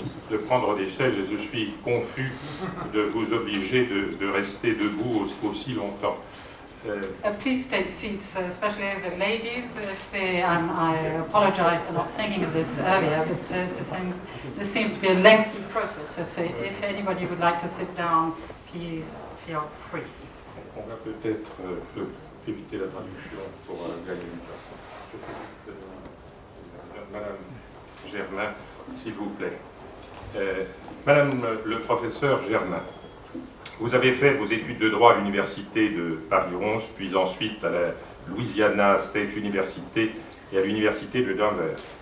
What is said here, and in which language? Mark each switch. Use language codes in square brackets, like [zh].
[fr] De prendre des sièges et je suis confus de vous obliger de rester debout aussi longtemps. [en] Please take seats, especially the ladies. I apologize for not thinking of this earlier, but this seems to be a lengthy process. So if anybody would like to sit down, please feel free. [fr] On va peut-être éviter la traduction pour gagner du temps. Madame Germain, s'il vous plaît. Madame le professeur Germain, vous avez fait vos études de droit à l'université de Paris-11, puis ensuite à la Louisiana State University et à l'université de Denver.